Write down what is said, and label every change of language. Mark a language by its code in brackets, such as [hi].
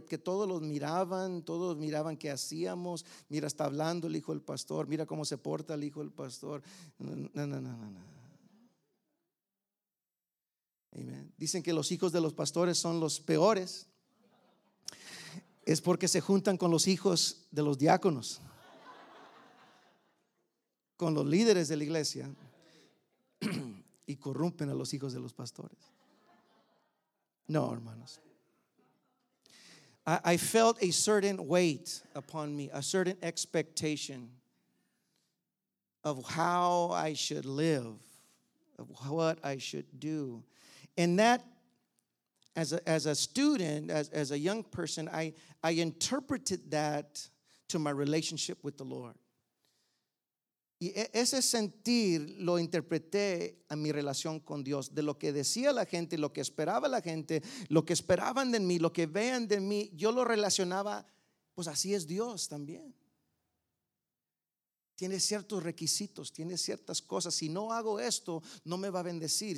[es] Que todos miraban qué hacíamos. Mira, está hablando el hijo del pastor. Mira cómo se porta el hijo del pastor. No. Amen. Dicen que los hijos de los pastores son los peores. Es porque se juntan con los hijos de los diáconos, con los líderes de la iglesia, y corrompen a los hijos de los pastores. No, hermanos. [en] I felt a certain weight upon me, a certain expectation of how I should live, of what I should do. And that, as a student, as a young person, I interpreted that to my relationship with the Lord. [es] Y ese sentir lo interpreté a mi relación con Dios, de lo que decía la gente, lo que esperaba la gente, lo que esperaban de mí, lo que vean de mí, yo lo relacionaba, pues así es Dios también. Tiene ciertos requisitos, tiene ciertas cosas. Si no hago esto, no me va a bendecir.